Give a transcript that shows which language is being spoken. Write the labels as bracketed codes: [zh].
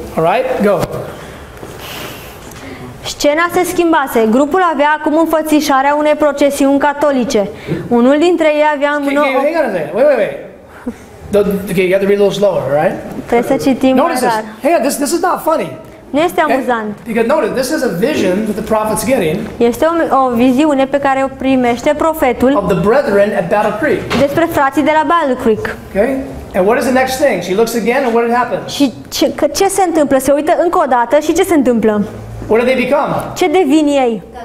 [en] All right, go. [ro] Scena se schimbase. Grupul avea acum înfățișarea unei procesiuni catolice. Unul dintre ei avea în mână. [en] Wait. Okay, you have to read a little slower, all right? [ro] Trebuie să citim mai rar. [en] Hey, this is not funny. [ro] Nu este amuzant. [en] Because notice, this is a vision that the prophet's getting. [ro] Este o viziune pe care o primește profetul. [en] Of the brethren at Battle Creek. [ro] Despre frații de la Battle Creek. [en] Okay? And what is the next thing? She looks again and what happens? [ro] Și ce se întâmplă? Se uită încă o dată și ce se întâmplă? [en] What do they become? [ro] Ce devin ei?